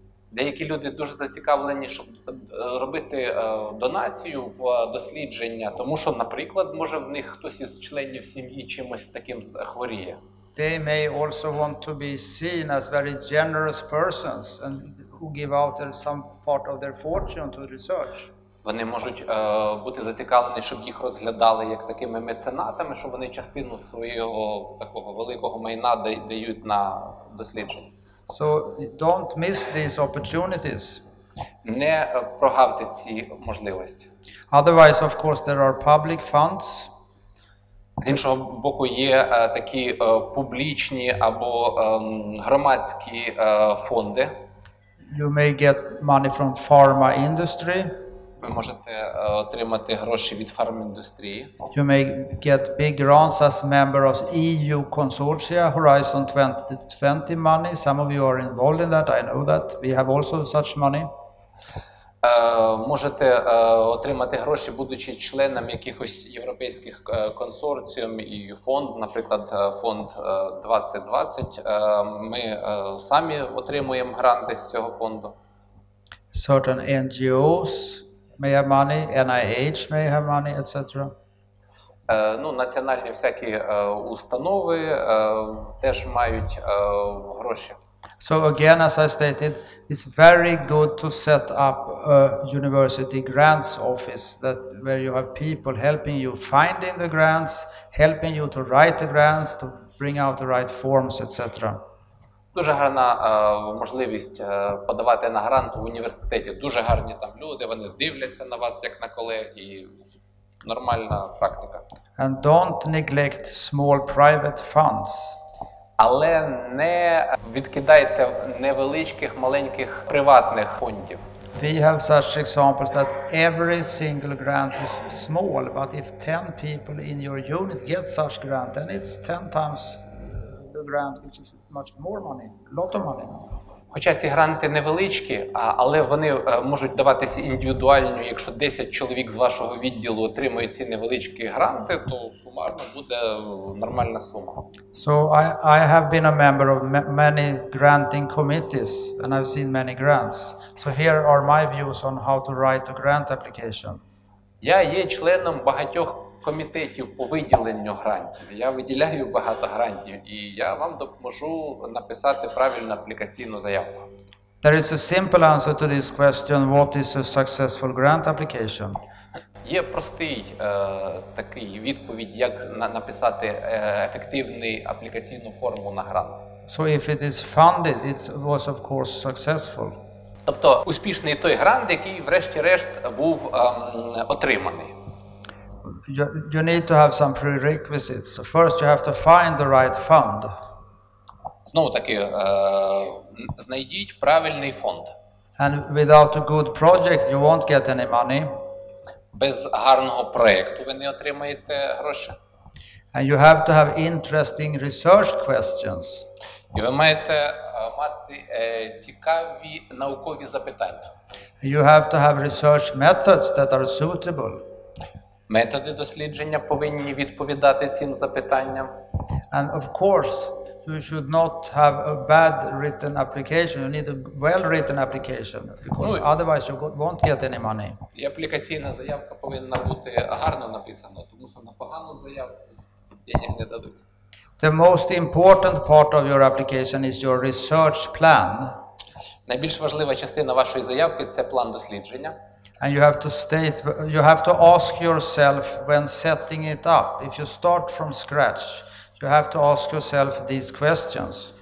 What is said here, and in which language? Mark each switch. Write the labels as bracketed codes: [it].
[uk] Деякі люди дуже зацікавлені, щоб робити донацію в дослідження, тому що, наприклад, може в них хтось із членів сім'ї чимось таким хворіє. [en] They may also want to be seen as very generous persons and who give out some part of their fortune to research. [uk] Вони можуть бути зацікавлені, щоб їх розглядали як такими меценатами, щоб вони частину свого такого великого майна дають на дослідження. [en] So don't miss these opportunities. [uk] Не прогавте ці можливості. [en] Otherwise, of course, there are public funds. [uk] З іншого боку, є такі публічні або громадські фонди. [en] You may get money from pharma industry. [uk] Ви можете отримати гроші від фарміндустрії. [en] You may get big grants as member of EU consortia Horizon 2020 money. Some of you are involved in that. I know that. We have also such money. [uk] Можете отримати гроші, будучи членом якихось європейських консорціум і фонд, наприклад, фонд 2020. Ми самі отримуємо гранти з цього фонду. [en] Certain NGOs may have money, NIH may have money, etc. [uk] Ну, національні всякі установи теж мають гроші. [en] So again, as I stated, it's very good to set up a university grants office that where you have people helping you finding the grants, helping you to write the grants, to bring out the right forms, etc. [uk] Дуже гарна можливість подавати на грант в університеті. Дуже гарні там люди, вони дивляться на вас як на колег і нормальна практика. [en] And don't neglect small private funds. [uk] Але не відкидайте невеличких, маленьких приватних фондів. [en] We have such examples that every single grant is small, but if 10 people in your unit get such grant, then it's 10 times the grant, which is much more money, lot of money. [uk] Хоча ці гранти невеличкі, але вони можуть даватися індивідуально. Якщо 10 чоловік з вашого відділу отримують ці невеличкі гранти, то сумарно буде нормальна сума. [en] So I have been a member of many granting committees and I've seen many grants. So here are my views on how to write a grant application. [uk] Я є членом багатьох комітетів по виділенню грантів. Я виділяю багато грантів, і я вам допоможу написати правильну аплікаційну заявку. [en] There is a simple answer to this question: what is a successful grant application? [uk] Є простий такий відповідь, як написати ефективну аплікаційну форму на грант. [en] So if it is funded, it was of course successful. [uk] Тобто успішний той грант, який врешті-решт був отриманий. [en] You need to have some prerequisites. First, you have to find the right fund. [uk] Знову таки, знайдіть правильний фонд. [en] And without a good project, you won't get any money. [uk] Без гарного проекту ви не отримаєте гроші. [en] And you have to have interesting research questions. [uk] І ви маєте мати цікаві наукові запитання. [en] You have to have research methods that are suitable. [uk] Методи дослідження повинні відповідати цим запитанням. [en] And of course, you should not have a bad written application. You need a well-written application, because otherwise you won't get any money. [uk] І аплікаційна заявка повинна бути гарно написана, тому що на погану заявку денег не дадуть. [en] The most important part of your application is your research plan. [uk] Найбільш важлива частина вашої заявки – це план дослідження. [en] And you have to ask yourself when setting it up. If you start from scratch, you have to ask yourself these questions.